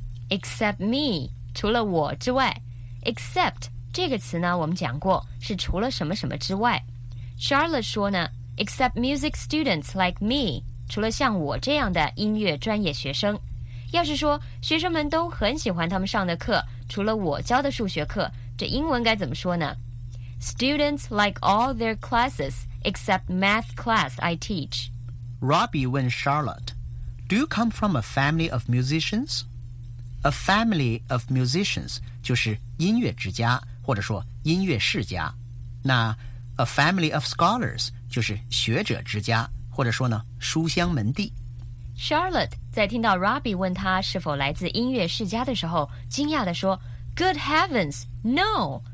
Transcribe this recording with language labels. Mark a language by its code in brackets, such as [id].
[en] Except me， [zh] 除了我之外 ， [en] except。 [zh] 这个词呢，我们讲过是除了什么什么之外。Charlotte 说呢 ， [en] except music students like me， [zh] 除了像我这样的音乐专业学生。要是说学生们都很喜欢他们上的课，除了我教的数学课，这英文该怎么说呢 ？ [en] Students like all their classes except math class I teach. Robbie [zh] 问 [en] Charlotte， "Do you come from a family of musicians?" A family of musicians [zh] 就是音乐之家。或者说音乐世家，那 [en] a family of scholars [zh] 就是学者之家，或者说呢书香门第。 Charlotte 在听到 Robbie 问他是否来自音乐世家的时候，惊讶地说 ： [en] “Good heavens, no！”